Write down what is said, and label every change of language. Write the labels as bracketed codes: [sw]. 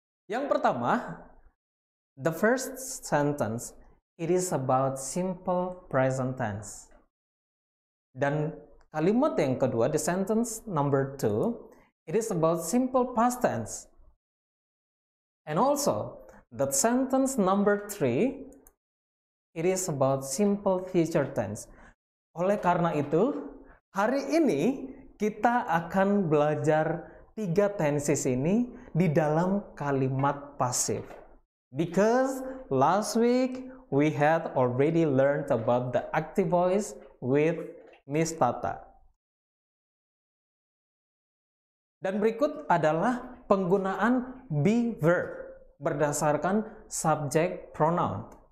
[id] Yang pertama, [en] the first sentence, it is about simple present tense. [id] Dan kalimat yang kedua, [en] the sentence number 2, it is about simple past tense. And also, the sentence number 3, it is about simple future tense. [id] Oleh karena itu, hari ini kita akan belajar 3 tenses ini di dalam kalimat pasif. [en] Because last week we had already learned about the active voice with Miss Tata. [id] Dan berikut adalah penggunaan be verb berdasarkan subject pronoun.